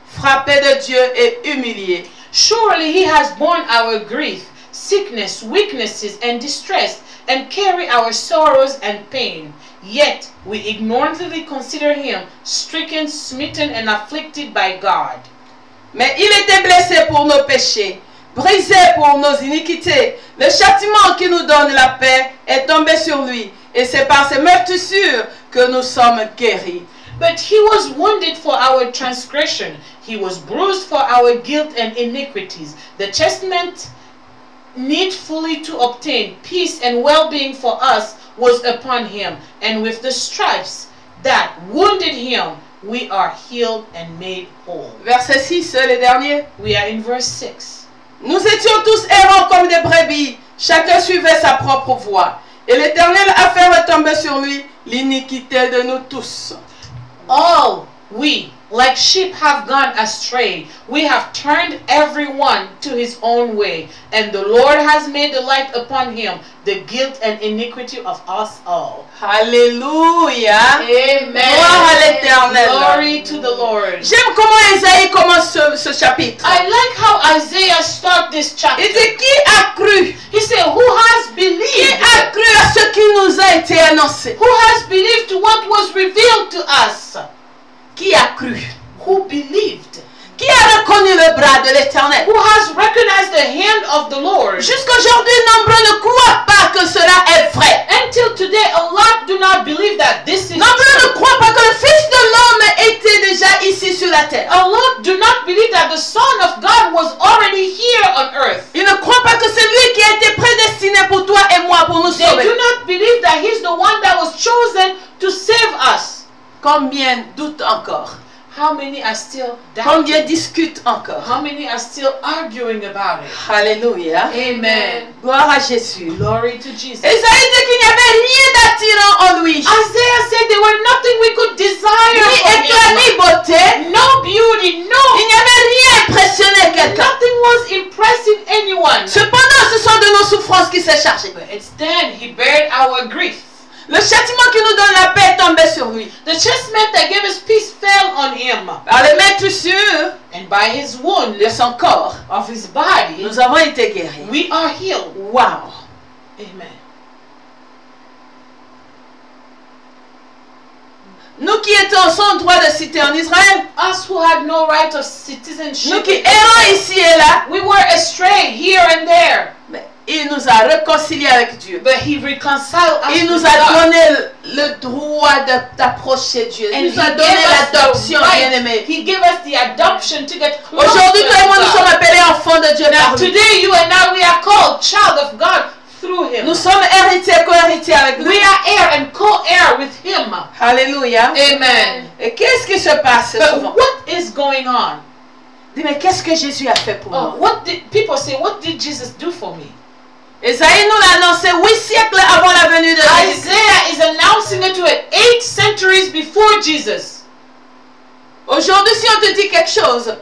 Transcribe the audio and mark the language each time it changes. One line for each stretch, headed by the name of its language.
French: Frappé de Dieu et humilié.
English: Surely he has borne our grief, sickness, weaknesses, and distress, and carried our sorrows and pain. Yet we ignorantly consider him stricken, smitten, and afflicted by God.
French: Mais il était blessé pour nos péchés, brisé pour nos iniquités. Le châtiment qui nous donne la paix est tombé sur lui, et c'est par ses meurtrissures que nous sommes guéris.
English: But he was wounded for our transgression. He was bruised for our guilt and iniquities. The chastisement needfully to obtain peace and well-being for us was upon him. And with the stripes that wounded him, we are healed and made whole.
French: Verset 6, le dernier.
English: We are in verse 6.
French: Nous étions tous errants comme des brebis. Chacun suivait sa propre voie. Et l'Éternel a fait retomber sur lui l'iniquité de nous tous.
English: All we, like sheep, have gone astray. We have turned everyone to his own way. And the Lord has made the light upon him the guilt and iniquity of us all. Hallelujah. Amen.
French: Gloire à l'Éternel.
English: Glory to the Lord.
French: J'aime comment Isaïe commence ce chapitre.
English: I like how Isaiah starts this chapter.
French: Il dit, qui a cru?
English: He said, who has believed?
French: Qui a cru à ce qui nous a été annoncé?
English: Who has believed to what was revealed to us?
French: Qui a cru?
English: Who believed?
French: Qui a reconnu le bras de l'Éternel?
English: Who has recognized the hand of the Lord?
French: Jusqu'aujourd'hui, nombreux ne croient pas que cela est vrai.
English: Until today, a lot do not believe that this is.
French: Nombreux ne croient pas que le Fils de l'homme était déjà ici sur la terre.
English: A lot do not believe that the Son of God was already here on earth.
French: Ils ne croient pas que c'est lui qui a été prédestiné pour toi et moi pour nous sauver.
English: They do not believe that he's the one that was chosen to save us.
French: Combien doutent encore?
English: How many are still doubting?
French: Combien discutent encore?
English: How many are still arguing about it? Hallelujah. Amen.
French: Gloire à Jésus.
English: Glory to Jesus.
French: Et ça a été qu'il n'y avait rien d'attirant en lui.
English: Isaiah said there were nothing we could desire.
French: Ni éclat, ni beauté.
English: No beauty, no.
French: Il n'y avait rien impressionné quelqu'un.
English: Nothing was impressing anyone.
French: Cependant, ce sont de nos souffrances qui s'est chargé.
English: But it's then he bared our grief.
French: Le châtiment qui nous donne la paix est tombé sur lui.
English: The chastisement that gave us peace fell on him.
French: Par les blessures,
English: and by his wound,
French: de son corps,
English: of his body,
French: nous avons été guéris.
English: We are healed. Wow. Amen.
French: Nous qui étions sans droit de cité en Israël,
English: us who had no right of citizenship,
French: nous qui errons ici et là,
English: we were astray here and there.
French: Il nous a réconciliés avec Dieu.
English: But he reconciled us.
French: Il nous a donné le droit d'approcher Dieu.
English: And
French: il nous a donné l'adoption, bien-aimé.
English: He gave us the adoption to get closer.
French: Aujourd'hui, tout le monde, nous sommes appelés enfants de Dieu.
English: Now, today, you and I, we are called child of God through him.
French: Nous sommes héritiers, co-héritiers avec lui.
English: We are heir and co-heir with him. Hallelujah. Amen.
French: Et qu'est-ce qui se passe souvent?
English: But what is going on?
French: Dis, mais qu'est-ce que Jésus a fait pour moi?
English: What did people say? What did Jesus do for me?
French: Isaïe nous l'a annoncé 8 siècles avant la venue de Jésus.
English: Isaiah is announcing it to it 8 centuries before Jesus.
French: Aujourd'hui, si on te dit quelque chose,